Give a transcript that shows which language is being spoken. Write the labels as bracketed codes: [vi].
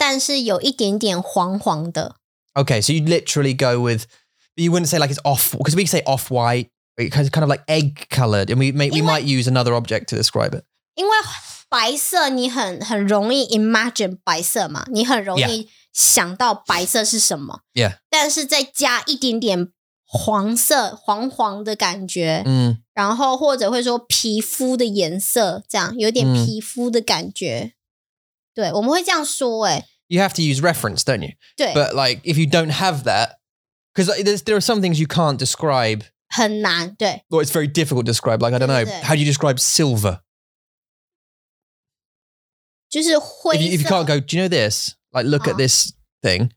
[zh] 对,我就会说就是白色,但是有一点点黄黄的. [en] Okay, so you'd literally go with, you wouldn't say like it's off, because we say off white. It's kind of like egg colored, and we might use another object to describe it. [zh] 因为白色，你很容易 imagine 白色嘛，你很容易想到白色是什么。Yeah. [en] Yeah. [zh] 但是再加一点点黄色，黄黄的感觉。嗯。然后或者会说皮肤的颜色，这样有点皮肤的感觉。对，我们会这样说。哎。You [en] have to use reference, don't you? [zh] 对。But [en] like, if you don't have that, because there are some things you can't describe. [zh] 很难, [en] well, it's very difficult to describe. Like, I don't know. How do you describe silver? [zh] 就是灰色, [en] if you can't go, do you know this? Like, look at this thing.